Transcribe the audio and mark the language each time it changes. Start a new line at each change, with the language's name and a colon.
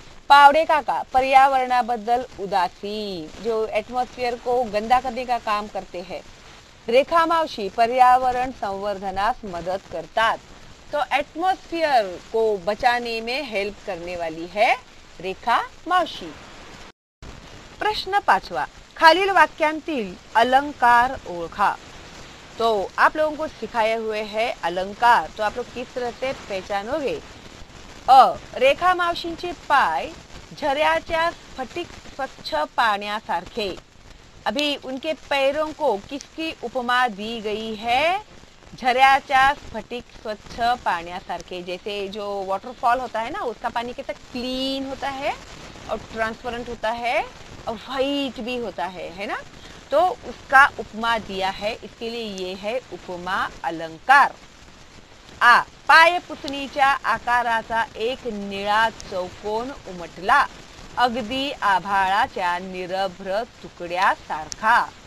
Hindi: पावड़े काका,
Marathi: पर्यावरणाबद्दल उदासी,
Hindi: जो एटमोसफियर को गंदा करने का काम करते हैं। रेखा मावशी,
Marathi: पर्यावरण संवर्धनास मदद करता,
Hindi: तो एटमोसफियर को बचाने में हेल्प करने वाली है रेखा मावशी।
Marathi: प्रश्न पांचवा, खालील वाक्यांतील अलंकार ओळखा।
Hindi: तो आप लोगों को सिखाए हुए है अलंकार, तो आप लोग किस तरह से पहचानोगे।
Marathi: अ, रेखा मावशींचे पाय झऱ्याच्या स्फटिक स्वच्छ पाण्यासारखे।
Hindi: अभी उनके पैरों को किसकी उपमा दी गई है,
Marathi: झऱ्याच्या स्फटिक स्वच्छ पाण्यासारखे,
Hindi: जैसे जो वॉटरफॉल होता है ना उसका पानी कितना क्लीन होता है और ट्रांसपेरेंट होता है और व्हाइट भी होता है ना, तो उसका उपमा दिया है, इसके लिए ये है उपमा अलंकार।
Marathi: आ, पाय पुतनीच्या आकाराचा एक निळा चौकोन उमटला अगदी आभाळाच्या निरभ्र तुकड्या सारखा।